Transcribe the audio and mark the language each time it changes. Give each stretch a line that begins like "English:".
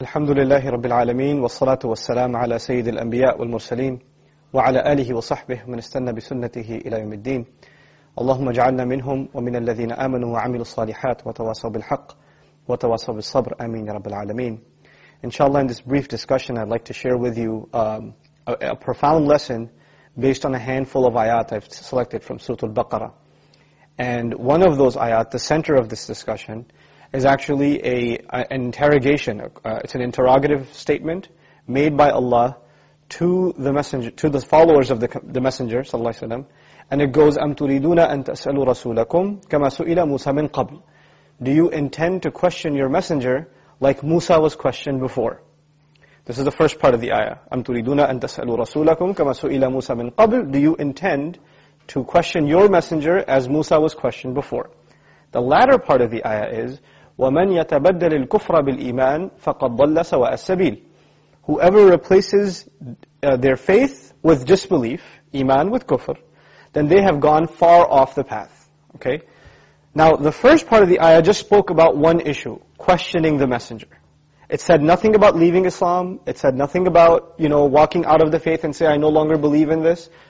Arabic: الحمد لله رب العالمين، والصلاة والسلام على سيد الأنبياء والمرسلين وعلى آله وصحبه من استنى بسنته إلى يوم الدين. اللهم اجعلنا منهم ومن الذين آمنوا وعملوا الصالحات وتواصوا بالحق وتواصوا بالصبر. آمين رب العالمين.
English: إن شاء الله in this brief discussion I'd like to share with you a profound lesson based on a handful of ayat I've selected from Surah Al-Baqarah. And one of those ayat, the center of this discussion, is actually an interrogation. It's an interrogative statement made by Allah to the messenger, to the followers of the messenger, sallallahu alaihi wasallam. And it goes,
Arabic: أَمْ تُرِيدُونَ أَن تَسْأَلُوا رَسُولَكُمْ كَمَا سُئِلَ مُوسَى مِنْ قَبْلُ.
English: Do you intend to question your messenger like Musa was questioned before? This is the first part of the ayah.
Arabic: أَمْ تُرِيدُونَ أَن تَسْأَلُوا رَسُولَكُمْ كَمَا سُئِلَ مُوسَى مِنْ قَبْلُ.
English: Do you intend to question your messenger as Musa was questioned before? The latter part of the ayah is,
Arabic: وَمَنْ يَتَبَدَّلِ الْكُفْرَ بِالْإِيمَانِ فَقَدْ ضَلَّ سَوَاءَ السَّبِيلِ.
English: Whoever replaces their faith with disbelief, iman with kufr, then they have gone far off the path. Okay? Now, the first part of the ayah just spoke about one issue, questioning the messenger. It said nothing about leaving Islam. It said nothing about, you know, walking out of the faith and say, I no longer believe in this.